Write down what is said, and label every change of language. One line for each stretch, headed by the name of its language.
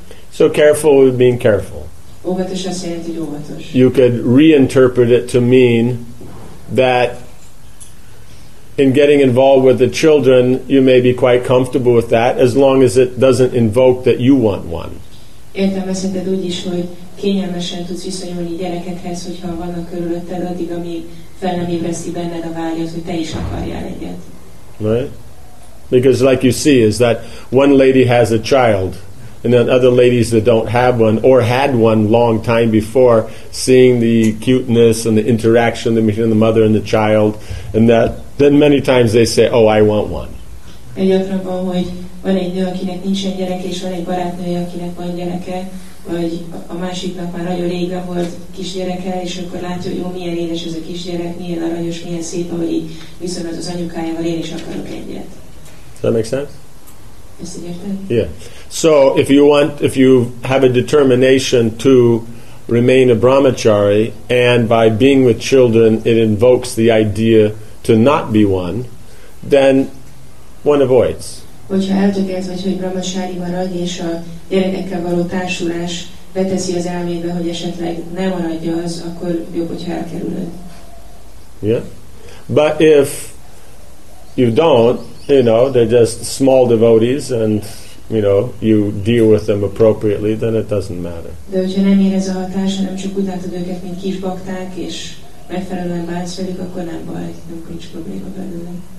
English: So careful with being careful. You could reinterpret it to mean that in getting involved with the children, you may be quite comfortable with that as long as it doesn't invoke that you want one.
Hungarian: Értelmezheted úgy is, hogy kényelmesen tudsz viszonyulni gyerekekhez, hogyha vannak körülötted, addig, amíg fel nem ébreszti benned a vágyat, hogy te is akarjál egyet.
English: Right? Because like you see, is that one lady has a child, and then other ladies that don't have one, or had one long time before, seeing the cuteness and the interaction between the mother and the child, and that then many times they say, oh, I want one.
Hungarian: Egy gyakran van, hogy van egy nő, akinek nincsen gyereke, és van egy barátnője, akinek van gyereke, vagy a másiknak már nagyon régen volt kisgyereke, és akkor látja, hogy jó, milyen édes ez a kisgyerek, milyen aranyos, milyen szép, ahogy viszont az anyukájával én is akarok egyet.
English: Does that make sense?
Hungarian: Ezt
English: yeah. So if you have a determination to remain a brahmachari, and by being with children it invokes the idea to not be one, then one avoids.
Hungarian: Hogyha eltökélt vagy, hogy brahmachari maradj, és a gyerekekkel való társulás beteszi az elmébe, hogy esetleg ne maradja az, akkor jobb, hogyha elkerülöd.
English: Yeah. But if you don't, you know, they're just small devotees, and you know, you deal with them appropriately, then it doesn't matter.
Hungarian: De hogyha nem érez a hatás, hanem csak úgy látod őket, mint kis bakták, és megfelelően bánsz velük, akkor nem baj, nem nincs probléma belőle.